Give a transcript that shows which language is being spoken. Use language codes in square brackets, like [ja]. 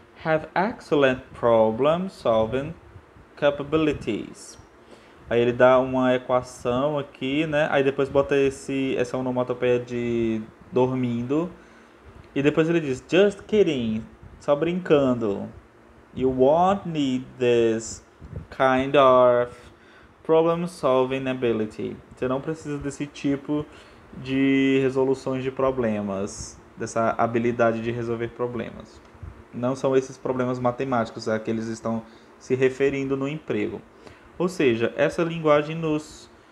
[en] Have excellent problem solving capabilities. [pt] Aí ele dá uma equação aqui, né? Aí depois bota essa onomatopeia de dormindo. E depois ele diz, [en] just kidding, [pt] só brincando. [en] You won't need this kind of problem solving ability. [pt] Você não precisa desse tipo de resoluções de problemas, dessa habilidade de resolver problemas. Não são esses problemas matemáticos a que eles estão se referindo no emprego. Ou seja, essa linguagem nos